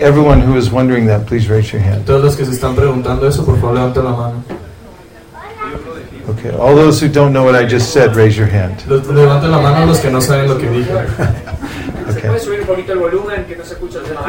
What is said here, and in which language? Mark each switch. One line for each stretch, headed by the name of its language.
English: Everyone who is wondering that, please raise your hand.
Spanish: Todos los que se están preguntando eso, por favor, levanten la mano.
English: Okay, all those who don't know what I just said, raise your hand.
Spanish: Levanten la mano los que no saben lo que dije.
English: Okay.
Spanish: ¿Se puede subir un poquito el volumen que no se escucha?